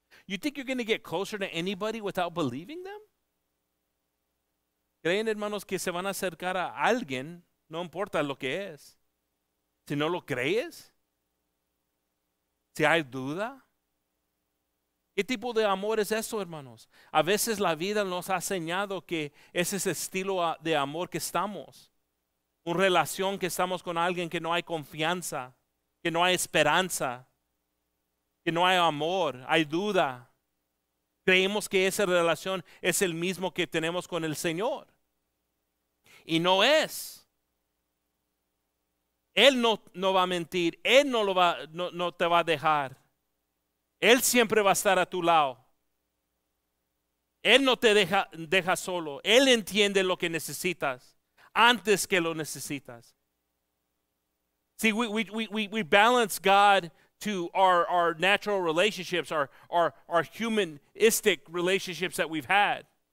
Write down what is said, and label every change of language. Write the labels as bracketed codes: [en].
[en] You think you're going to get closer to anybody without believing them? [es] ¿Creen, hermanos, que se van a acercar a alguien? No importa lo que es. Si no lo crees. Si hay duda. ¿Qué tipo de amor es eso, hermanos? A veces la vida nos ha enseñado que es ese estilo de amor que estamos. Una relación que estamos con alguien que no hay confianza, que no hay esperanza, que no hay amor, hay duda. Creemos que esa relación es el mismo que tenemos con el Señor. Y no es. Él no va a mentir, Él no te va a dejar. Él siempre va a estar a tu lado. Él no te deja solo. Él entiende lo que necesitas antes que lo necesitas. [en] See, we balance God to our natural relationships, our humanistic relationships that we've had.